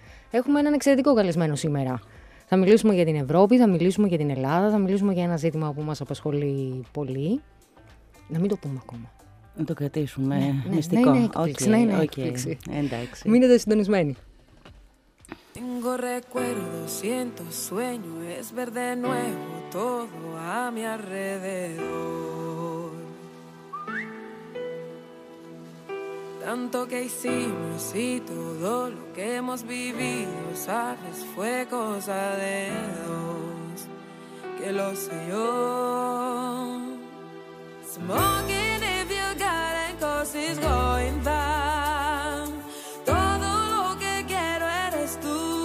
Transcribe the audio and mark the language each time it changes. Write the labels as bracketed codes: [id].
[el] Έχουμε έναν εξαιρετικό καλεσμένο σήμερα. Θα μιλήσουμε για την Ευρώπη, θα μιλήσουμε για την Ελλάδα, θα μιλήσουμε για ένα ζήτημα που μας απασχολεί πολύ. Να μην το πούμε ακόμα. Να το κρατήσουμε μυστικό. Εντάξει. Μείνετε συντονισμένοι. [es] Tengo recuerdo, siento sueño, es ver de nuevo todo a mi alrededor. Tanto que hicimos y todo lo que hemos vivido, sabes, fue cosa de dos, que lo sé yo. [en] Smoking if you got it, cause it's going down. [es] Todo lo que quiero eres tú.